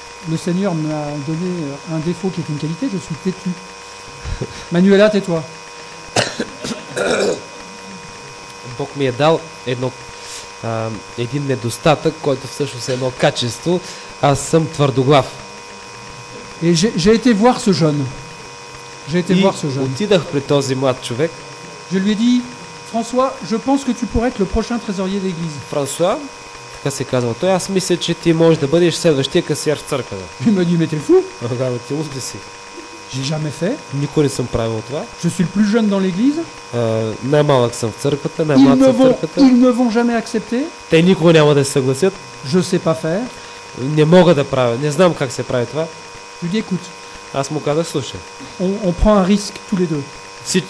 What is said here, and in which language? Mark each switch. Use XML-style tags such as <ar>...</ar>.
<fr>Le Seigneur m'a donné un défaut qui est une qualité, je suis têtu. Manuela, tais-toi.</fr> <bg>Бог ми е дал едно, един недостатък, който всъщност е едно качество. Аз съм твърдоглав.</bg> <fr>Et j'ai été voir ce jeune. J'ai été voir ce jeune.</fr> <bg>Отидах при този млад човек.</bg> <fr>Je lui ai dit, François, je pense que tu pourrais être le prochain trésorier d'église.</fr> <bg>François, така се казва той, аз мисля, че ти можеш да бъдеш следващия касиер в църквата.</bg> <fr>Il m'a dit, mais t'es fou.</fr> <bg>Ага, ти луд ли си?</bg> <fr>J'ai jamais fait.</fr> <bg>Никога не съм правил това.</bg> <fr>Je suis le plus jeune dans l'église.</fr> <bg>Най-малък съм в църквата, най-млад съм в църквата.</bg> <fr>Ils ne vont jamais accepter.</fr> <bg>Те никога няма да се съгласят.</bg> <fr>Je sais pas faire.</fr> <bg>Не мога да правя, не знам как се прави това.</bg> <fr>Lui dit, écoute.</fr> <bg>Аз му казах, слушай.</bg> <fr>On prend un risque tous les deux.</fr>